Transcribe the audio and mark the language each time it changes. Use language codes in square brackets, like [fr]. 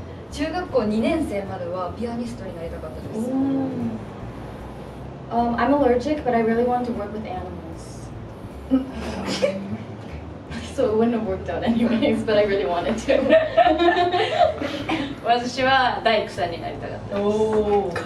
[ja] 中学校2年生まではピアニストになりたかったです。 [en] I'm allergic, but I really wanted to work with animals. So it wouldn't have worked out anyways, but I really wanted to. [ja] 私は大工さんになりたかったです。